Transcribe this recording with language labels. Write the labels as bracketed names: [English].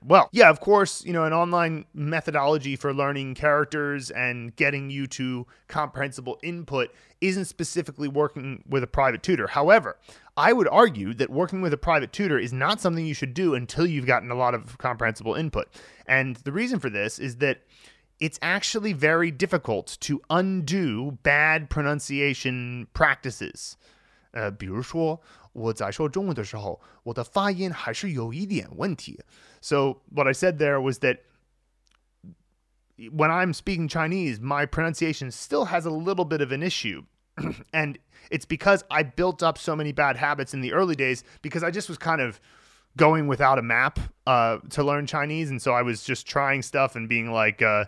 [English] Well, yeah, of course, you know, an online methodology for learning characters and getting you to comprehensible input isn't specifically working with a private tutor. However, I would argue that working with a private tutor is not something you should do until you've gotten a lot of comprehensible input. And the reason for this is that it's actually very difficult to undo bad pronunciation practices. [Chinese] 比如说我在说中文的时候，我的发音还是有一点问题。 [English] So what I said there was that when I'm speaking Chinese, my pronunciation still has a little bit of an issue. And it's because I built up so many bad habits in the early days because I just was kind of going without a map to learn Chinese. And so I was just trying stuff and being like,